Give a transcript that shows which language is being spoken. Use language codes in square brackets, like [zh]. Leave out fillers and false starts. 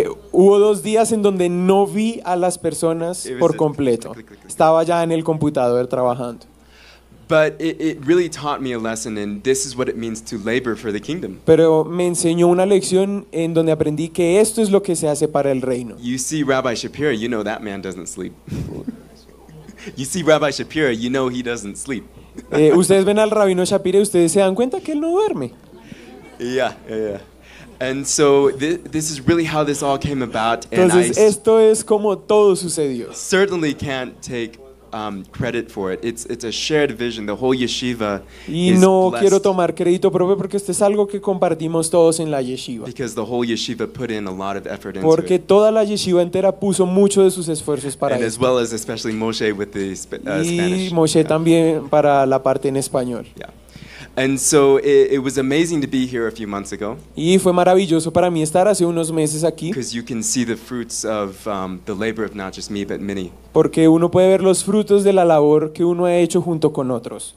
[es] Hubo 2 días en donde no vi a las personas por completo. Estaba ya en el computador trabajando. [en] But it really taught me a lesson, and this is what it means to labor for the kingdom. [es] Pero me enseñó una lección en donde aprendí que esto es lo que se hace para el reino. [en] You see Rabbi Shapiro, you know that man doesn't sleep. You see Rabbi Shapiro, you know he doesn't sleep. [es] Ustedes ven al Rabino Shapiro y ustedes se dan cuenta que él no duerme. [en] Yeah. And so this is really how this all came about. [es] Entonces, [en] and [es] esto es como todo sucedió. [en] Certainly can't take credit for it. It's a shared vision. The whole yeshiva. [es] Y no quiero tomar crédito propio porque esto es algo que compartimos todos en la yeshiva. [en] Because the whole yeshiva put in a lot of effort into [es] porque [en] it. [es] Porque toda la yeshiva entera puso mucho de sus esfuerzos para. [en] And [es] esto. [en] As well as especially Moshe with the Spanish. [es] Y Moshe también para la parte en español. [en] Yeah. And so it was amazing to be here a few months ago. [es] Y fue maravilloso para mí estar hace unos meses aquí. [en] Because you can see the fruits of the labor of not just me but many. [es] Porque uno puede ver los frutos de la labor que uno ha hecho junto con otros.